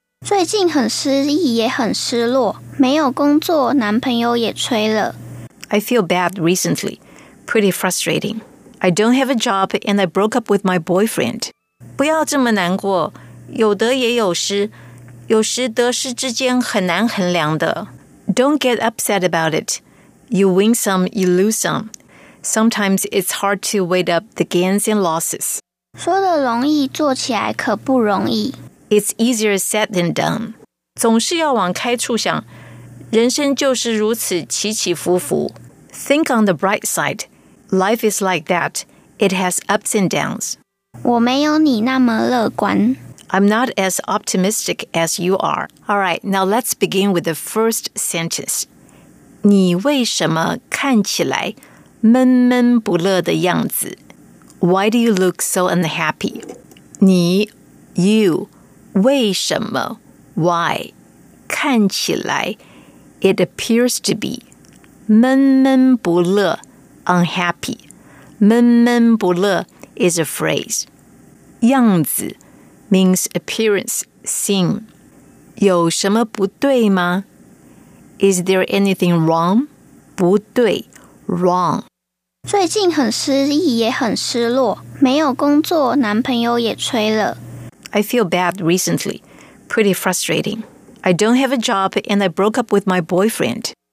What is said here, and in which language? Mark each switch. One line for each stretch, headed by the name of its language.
Chinese: 最近很失意也很失落，没有工作，男朋友也催了。
English: I feel bad recently. Pretty frustrating. I don't have a job and I broke up with my boyfriend.
Chinese: 不要这么难过，有得也有失，有时得失之间很难衡量的。
English: Don't get upset about it. You win some, you lose some. Sometimes it's hard to weigh up the gains and losses.
Chinese: 说得容易，做起来可不容易。
English: It's easier said than done.
Chinese: 总是要往开处想，人生就是如此起起伏伏。
English: Think on the bright side. Life is like that. It has ups and downs.
Chinese: 我没有你那么乐观。
English: I'm not as optimistic as you are. All right, now let's begin with the first sentence.
Chinese: 你为什么看起来闷闷不乐的样子？
English: Why do you look so unhappy?
Chinese: 你,
English: you,
Chinese: 为什么,
English: why?
Chinese: 看起来,
English: it appears to be.
Chinese: 闷闷不乐,
English: unhappy.
Chinese: 闷闷不乐
English: is a phrase.
Chinese: 样子
English: means appearance, seem.
Chinese: 有什么不对吗?
English: Is there anything wrong?
Chinese: 不对,
English: wrong.
Chinese: 最近很失意也很失落，没有工作，男朋友也催了。
English: I feel bad recently. Pretty frustrating. I don't have a job and I broke up with my boyfriend.